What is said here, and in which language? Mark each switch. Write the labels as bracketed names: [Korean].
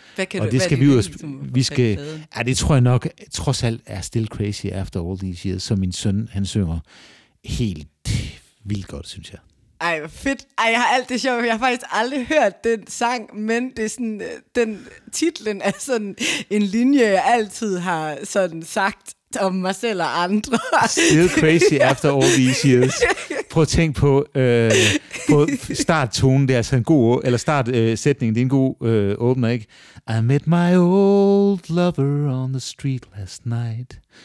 [Danish] Det tror jeg nok, trods alt er [English] still crazy after all these years, [Danish] som min søn, han synger helt vildt godt, synes jeg. Ej, fedt. Ej, jeg har alt det sjovt. Jeg har faktisk aldrig hørt den sang, men det er sådan, den titlen er sådan en linje, jeg altid har sådan sagt om mig selv og andre. [English] Still crazy after all these years. [Danish] Prøv at tænke på, starttonen, det er altså en god, eller startsætningen, det er en god åbner, ikke? [English] I met my old lover on the street last night.